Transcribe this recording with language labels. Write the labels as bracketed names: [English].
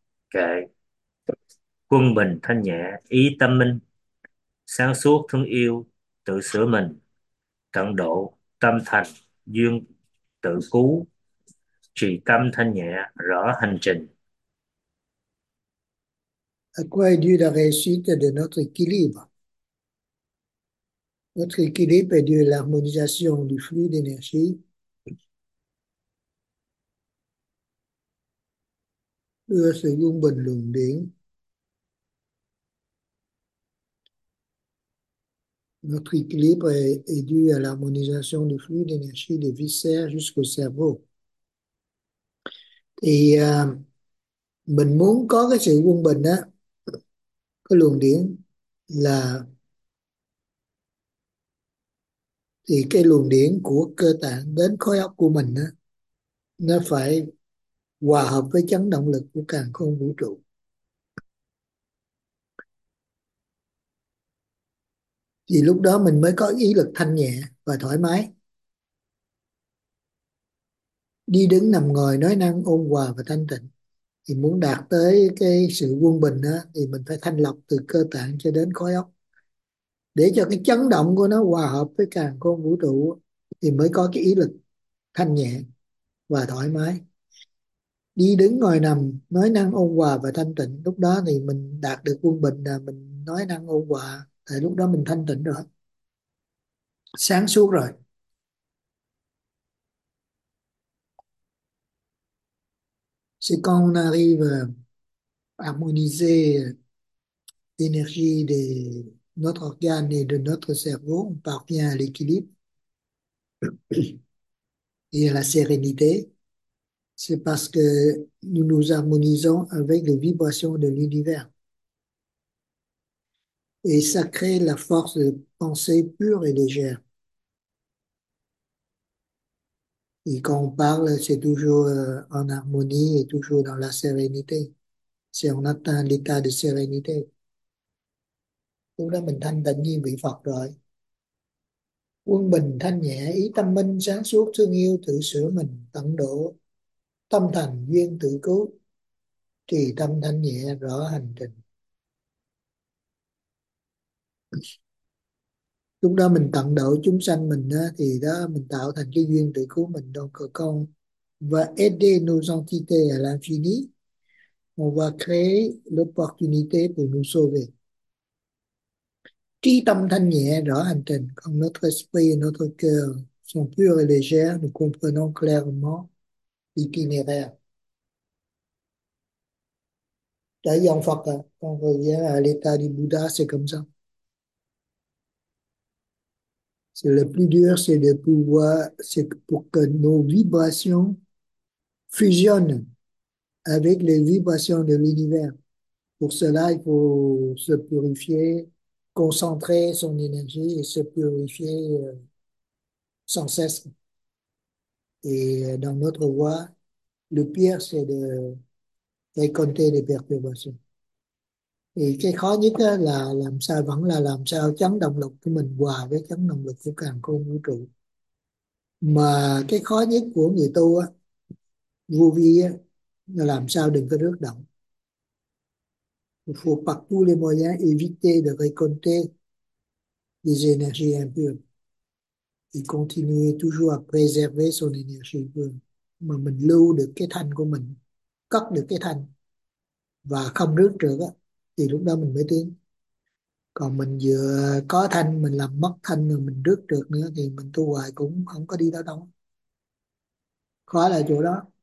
[Vietnamese] Kệ: Quân bình thanh nhẹ ý tâm minh, sáng suốt thương yêu tự sửa mình, tận độ tâm thành duyên tự cứu, trì tâm thanh nhẹ rõ hành trình. [French] À quoi est due la réussite de notre équilibre? Notre équilibre est dû à l'harmonisation du flux d'énergie. [Vietnamese] Đưa sự quân bình luồng điển. [French] Notre équilibre est dû à l'harmonisation du flux d'énergie des viscères jusqu'au cerveau. [Vietnamese] Thì mình muốn có cái sự quân bình á, cái luồng điển là thì cái luồng điển của cơ tạng đến khối óc của mình á, nó phải hòa hợp với chấn động lực của càn khôn vũ trụ. Thì lúc đó mình mới có ý lực thanh nhẹ và thoải mái. Đi đứng nằm ngồi nói năng ôn hòa và thanh tịnh. Thì muốn đạt tới cái sự quân bình á, thì mình phải thanh lọc từ cơ tạng cho đến khối óc, để cho cái chấn động của nó hòa hợp với càn khôn vũ trụ thì mới có cái ý lực thanh nhẹ và thoải mái. Đi đứng ngồi nằm nói năng ôn hòa và thanh tịnh, lúc đó thì mình đạt được quân bình là mình nói năng ôn hòa, tại lúc đó mình thanh tịnh rồi, sáng suốt rồi. [French] C'est quand on arrive à harmoniser l'énergie de notre organe et de notre cerveau, on parvient à l'équilibre et à la sérénité. C'est parce que nous nous harmonisons avec les vibrations de l'univers. Et ça crée la force de pensée pure et légère. Et quand on parle, c'est toujours en harmonie et toujours dans la sérénité. C'est on atteint l'état de sérénité. [Vietnamese] Lúc đó mình thanh tịnh như vị Phật rồi. Quân bình thanh nhẹ, ý tâm minh sáng suốt, thương yêu tự sửa mình, tận độ, tâm thành duyên tự cứu. Thì tâm thanh nhẹ rõ hành trình. Lúc đó mình tận độ chúng sanh mình thì đó mình tạo thành cái duyên tự cứu mình đâu có công và [French] aider nos entités à l'infini on va créer l'opportunité pour nous sauver. [Vietnamese] Trí tâm thanh nhẹ rõ hành trình, [French] còn notre esprit et notre cœur sont purs et légers, nous comprenons clairement l'itinéraire. [Vietnamese] Tại dòng Phật à, con vừa nghe [French] à l'état du Bouddha, c'est comme ça. C'est le plus dur, c'est de pouvoir, c'est pour que nos vibrations fusionnent avec les vibrations de l'univers. Pour cela, il faut se purifier, concentrer son énergie et se purifier sans cesse. Et dans notre voie, le pire, c'est de récolter les perturbations. [Vietnamese] Thì cái khó nhất là làm sao vẫn là làm sao chấn động lực của mình hòa với chấn động lực của càn khôn vũ trụ. Mà cái khó nhất của người tu á, vô vi á, là làm sao đừng có rước động. [French] Faut par tous les moyens éviter de récolter des énergies impures. Et continuer toujours à préserver son énergie pure. [Vietnamese] Mà mình lưu được cái thanh của mình, cất được cái thanh và không rước trượt á, thì lúc đó mình mới tiến. Còn mình vừa có thanh mình làm mất thanh rồi mình rước được nữa thì mình tu hoài cũng không có đi đâu đâu. Khó là chỗ đó.